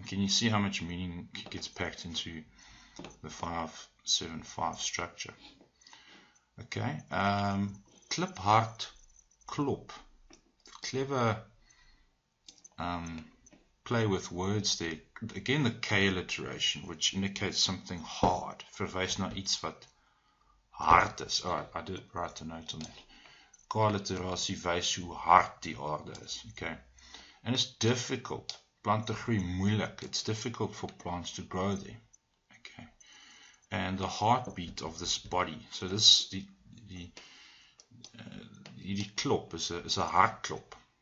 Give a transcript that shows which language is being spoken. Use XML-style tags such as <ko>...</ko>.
<en>Can you see how much meaning gets packed into the 5-7-5 structure? Okay. Klip hard klop. Clever play with words there. Again, the K alliteration, which indicates something hard.</en> <af>Verwys na iets wat hard is.</af> <en>Oh, I did write a note on that.</en> <af>K-alliterasie wys hoe hard die aarde is. Okay.</af> <en>And it's difficult.</en> <af>Plante groei moeilik.</af> <en>It's difficult for plants to grow there. Okay. And the heartbeat of this body. So this die klop is a hartklop.</en>